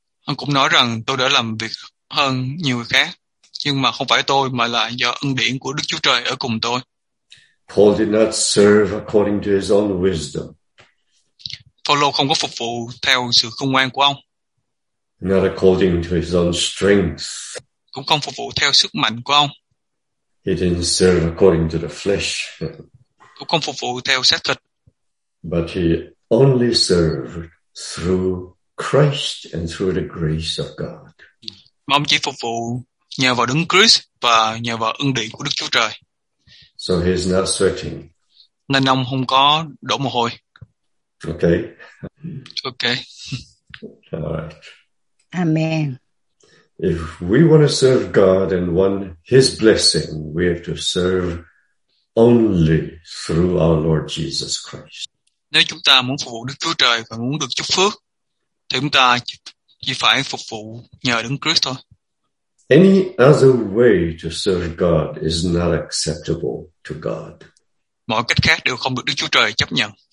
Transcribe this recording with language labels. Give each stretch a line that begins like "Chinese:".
Vietnamese: Ông cũng nói rằng tôi đã làm việc hơn nhiều người khác, nhưng mà không phải tôi, mà là do ân điển của Đức Chúa Trời ở cùng tôi.
English: Paul did not serve according to his own wisdom.
Vietnamese: Phaolô không có phục vụ theo sự khôn ngoan của ông.
English: Not according to his own strength.
Vietnamese: Cũng không phục vụ theo sức mạnh của ông.
English: He didn't serve according to the flesh.
Vietnamese: Cũng không phục vụ theo xác thịt.
English: But he only served through Christ and through the grace of God.
Vietnamese: Mà ông chỉ phục vụ nhờ vào Đấng Christ và nhờ vào ân điển của Đức Chúa Trời.
English: So he's not sweating.
Vietnamese: Nên ông không có đổ mồ hôi. Okay. Okay. All right. Amen.
English: If we want to serve God and want his blessing, we have to serve only through our Lord Jesus Christ.
Vietnamese: Nếu chúng ta muốn phục vụ Đức Chúa Trời và muốn được chúc phước, thì chúng ta chỉ phải phục vụ nhờ Đấng Christ thôi.
English: Any other way to serve God is not acceptable to God.
Vietnamese: Mọi cách khác đều không được Đức Chúa Trời chấp nhận.